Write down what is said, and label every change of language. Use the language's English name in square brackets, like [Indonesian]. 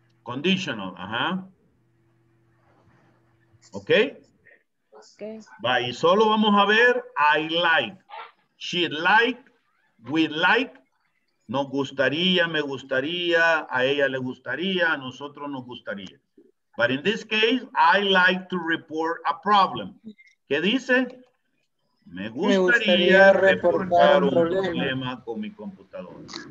[English] Conditional, ajá. ¿Ok? Ok. [Spanish] Va, y solo vamos a ver [English] I like, she like, we like, [Spanish] nos gustaría, me gustaría, a ella le gustaría, a nosotros nos gustaría. [English] But in this case, I like to report a problem. [Spanish] ¿Qué dice? Me gustaría reportar un problema con mi computadora.